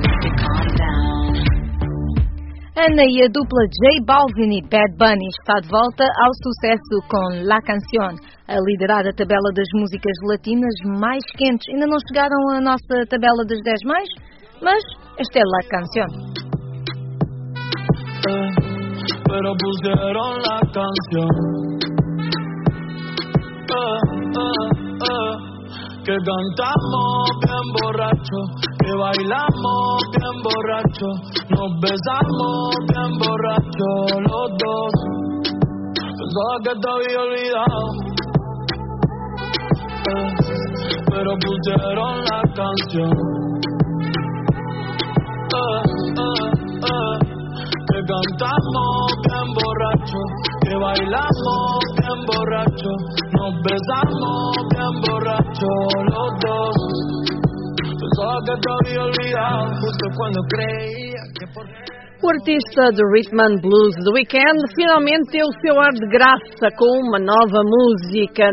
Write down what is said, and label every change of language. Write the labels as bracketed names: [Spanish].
[Portuguese] Ana e a dupla J Balvin e Bad Bunny está de volta ao sucesso com La Canción, a liderar a tabela das músicas latinas mais quentes. Ainda não chegaram à nossa tabela das 10 mais, mas esta é La Canción. [Spanish] Pero pusieron la canción. Que cantamos bien borracho, que bailamos bien borracho, nos besamos bien borracho los dos. Pensaba que te había olvidado, pero pusieron la canción. Que cantamos bien borracho, que bailamos bien borracho, nos besamos bien borracho los dos. [Portuguese] O artista de Rhythm and Blues The Weeknd finalmente deu o seu ar de graça com uma nova música.